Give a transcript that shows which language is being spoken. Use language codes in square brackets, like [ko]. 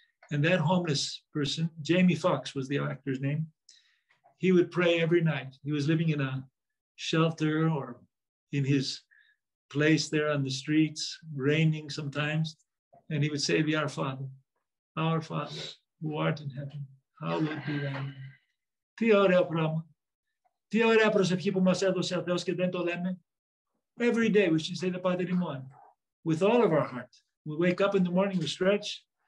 [en] And that homeless person, Jamie Foxx was the actor's name, he would pray every night. He was living in a shelter or in his place there on the streets, raining sometimes, and he would say, "Be our Father, who art in heaven, hallowed be thy name." [el] Τι ωραίο πράγμα. Τι ωραία προσευχή που μας έδωσε ο Θεός και δεν το λέμε. [en] Every day we should say the Pater Noster with all of our heart. We wake up in the morning, we stretch.